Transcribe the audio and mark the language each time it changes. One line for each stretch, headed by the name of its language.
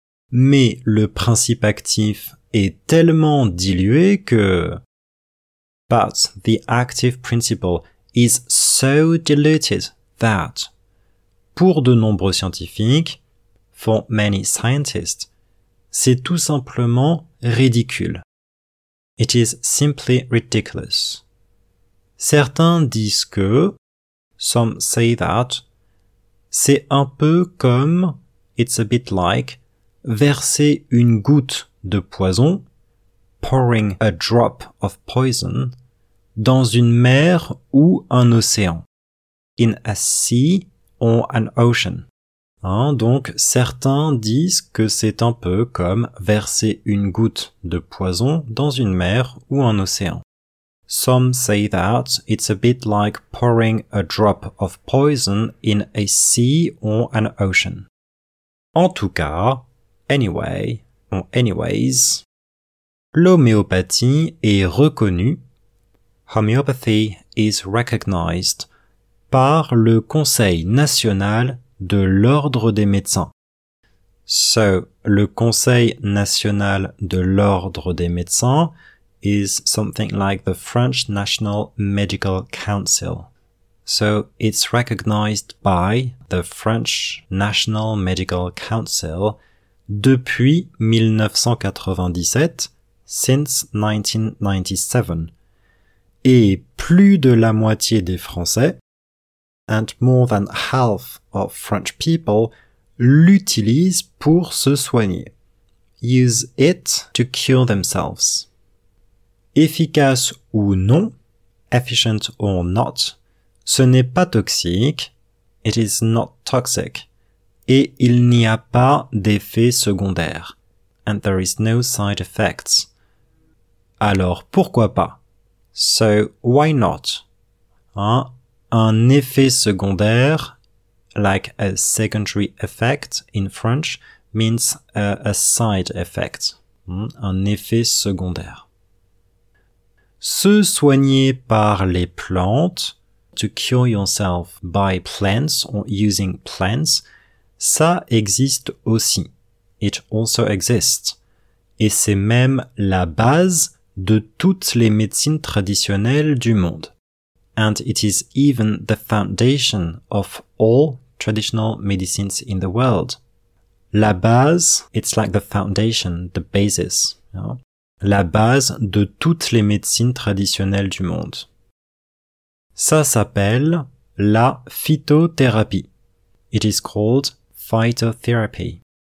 French: Mais le principe actif est tellement dilué que...
English: But the active principle is so diluted that...
French: Pour de nombreux scientifiques,
English: for many scientists,
French: c'est tout simplement ridicule.
English: It is simply ridiculous.
French: Certains disent que,
English: some say that,
French: c'est un peu comme,
English: it's a bit like,
French: verser une goutte de poison,
English: pouring a drop of poison,
French: dans une mer ou un océan.
English: In a sea, or an ocean.
French: Hein, donc, certains disent que c'est un peu comme verser une goutte de poison dans une mer ou un océan.
English: Some say that it's a bit like pouring a drop of poison in a sea or an ocean.
French: En tout cas,
English: anyway, or anyways,
French: l'homéopathie est reconnue,
English: homeopathy is recognized,
French: par le Conseil national de l'Ordre des médecins.
English: So, le Conseil national de l'Ordre des médecins is something like the French National Medical Council. So, it's recognized by the French National Medical Council
French: depuis 1997,
English: since 1997.
French: Et plus de la moitié des Français,
English: and more than half of French people,
French: l'utilise pour se soigner.
English: Use it to cure themselves.
French: Efficace ou non,
English: efficient or not,
French: ce n'est pas toxique,
English: it is not toxic,
French: et il n'y a pas d'effet secondaire,
English: and there is no side effects.
French: Alors pourquoi pas?
English: So why not?
French: Hein? Un effet secondaire
English: like a secondary effect in French means a side effect,
French: un effet secondaire. Se soigner par les plantes,
English: to cure yourself by plants or using plants,
French: ça existe aussi.
English: It also exists.
French: Et c'est même la base de toutes les médecines traditionnelles du monde.
English: And it is even the foundation of all traditional medicines in the world.
French: La base,
English: it's like the foundation, the basis. You know?
French: La base de toutes les médecines traditionnelles du monde. Ça s'appelle la phytothérapie.
English: It is called phytotherapy.